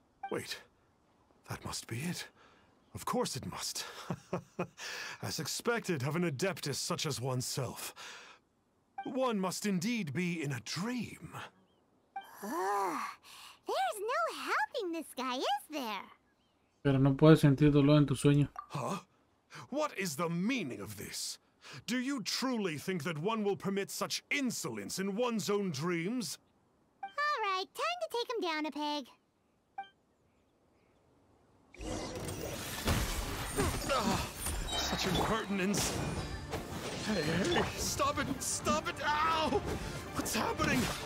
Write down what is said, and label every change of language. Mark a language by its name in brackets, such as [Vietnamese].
[English] Wait, that must be it. Of course it must. As expected of an Adeptus such as oneself. One must indeed be in a dream. Ugh, there's no helping this guy, is there? [Spanish] Pero no puedes sentir dolor en tu sueño. [English] Huh? What is the meaning of this? Do you truly think that one will permit such insolence in one's own dreams? All right, time to take him down a peg. Such impertinence. Hey, stop it, stop it. Ow! What's happening?